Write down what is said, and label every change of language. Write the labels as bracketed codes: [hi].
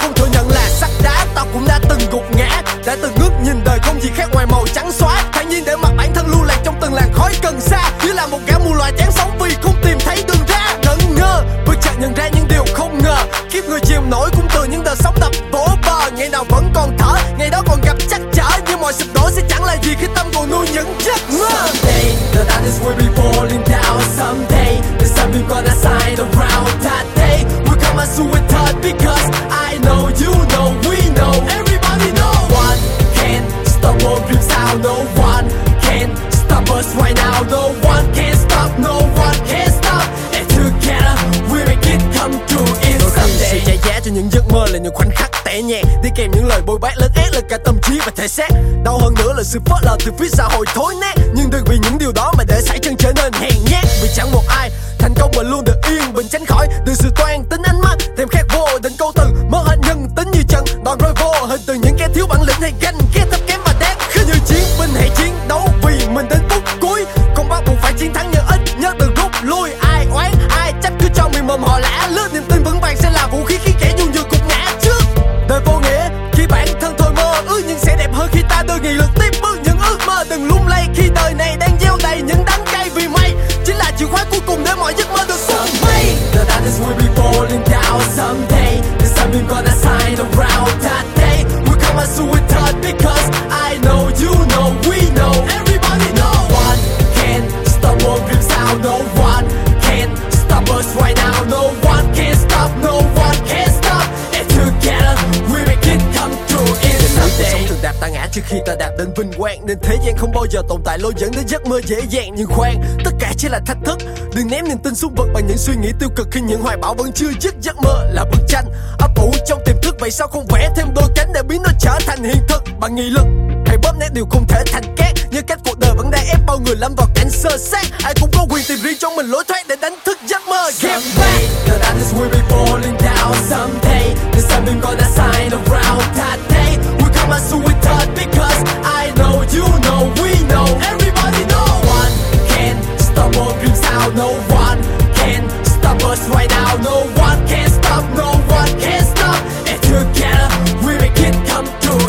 [vi] Không thừa nhận là sắt đá, tao cũng đã từng gục ngã, đã từng ngước nhìn đời không gì khác ngoài màu trắng xóa, thản nhiên để mặc bản thân lưu lạc trong từng làn khói cần xa, như là một gã mù loà chán sống vì không tìm thấy đường ra. Ngẩn ngơ bước chợt nhận ra những điều không ngờ, kiếp người chìm nổi cũng từ những đợt sóng đập vỗ bờ. Ngày nào vẫn còn thở, ngày đó còn gặp chắc chở, nhưng mọi sụp đổ sẽ chẳng là gì khi tâm còn nuôi những giấc mơ. [en] Someday the darkness will be falling down, someday the sun will gonna shine around, that day will come as we thought, because I know you know we know everybody know. One can't stop what dreams out, no one can stop us right now, no one can stop, no one can stop, and together we make it come true. [vi] Cho những giấc mơ là những khoảnh khắc tẻ nhạt, đi kèm những lời bôi bác lớn ác là cả tâm trí và thể xác. Đau hơn nữa là sự phớt lờ từ phía xã hội thối nát, nhưng đừng vì những điều đó mà để sải chân trở nên hèn nhát. Vì chẳng một ai thành công mà luôn được yên bình, tránh khỏi được sự toan tính ánh mắt thèm khát vô định, câu từ mơ hình nhân tính như trận đòn roi vô hình, từ những kẻ thiếu bản lĩnh hay ganh ghét thấp kém mà đáng. Khi như chiến binh hãy chiến đấu vì mình đến phút cuối, không bắt buộc phải chiến thắng nhưng ít nhất từng rút lui. Ai oán ai trách cứ cho mình mồm họ lã lướt, niềm tin vững vàng sẽ là vũ khí khi kẻ dù như cục ngã trước. Đời vô nghĩa khi bản thân thôi mơ ước, nhưng sẽ đẹp hơn khi ta đưa nghị lực tiếp bước những ước mơ. Đừng lung lay khi đời này đang gieo đầy những đắng cay, vì may chính là chìa khóa cuối cùng để mọi giấc mơ được sớm bay. [en] The darkness will be falling down, someday the sun will gonna shine around, that day will come as we thought, because I know you know we know everybody know. One can't stop what dreams out, no one can stop us right now, no one can stop, no one can stop, and together we make it come true. In someday [vi] đạp ta ngã trước khi ta đạp đến vinh quang, nên thế gian không bao giờ tồn tại lối dẫn đến giấc mơ dễ dàng. Nhưng khoan, tất cả chỉ là thách thức, đừng ném niềm tin xuống vực bằng những suy nghĩ tiêu cực khi những hoài bão vẫn chưa dứt. Giấc mơ là bức tranh ấp ủ trong tiềm thức, vậy sao không vẽ thêm đôi cánh để biến nó trở thành hiện thực. Bằng nghị lực hãy bóp nét điều không thể thành két, như cách cuộc đời vẫn đang ép bao người lâm vào cảnh sơ xác. Ai cũng có quyền tìm riêng cho mình lối thoát để đánh thức giấc mơ. [en] Someday the darkness will be falling down, someday the sun will gonna shine around, that day come as we thought, because I know you know we know everybody know. One can stop our dreams out, no one can stop us right now, no one can stop, no one can stop, and together we make it come true.